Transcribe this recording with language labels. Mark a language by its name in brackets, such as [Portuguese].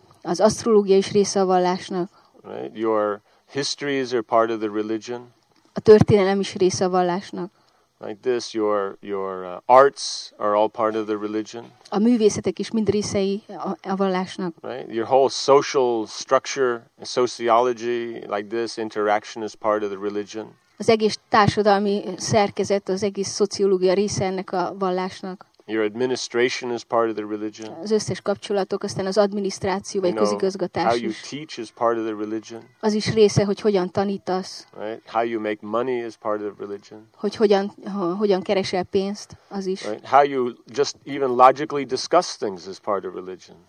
[Hungarian] Az asztrológia is része a vallásnak. [English] Right, your histories are part of the religion. [Hungarian] A történelem is része a vallásnak. [English] Like this, your arts are all part of the religion. [Hungarian] A művészetek is mind részei a vallásnak. [English] Right, your whole social structure, sociology, like this, interaction is part of the religion. [Hungarian] Az egész társadalmi szerkezet, az egész szociológia része ennek a vallásnak. [English] Your administration is part of the religion. [Hungarian] Az összes kapcsolatok, aztán az adminisztráció vagy közigazgatás is. [English] How you teach is part of the religion. [Hungarian] Az is része, hogy hogyan tanítasz. [English] Right? How you make money is part of the religion. [Hungarian] Hogy hogyan keresel pénzt, az is. [English] Right? How you just even logically discuss things is part of religion.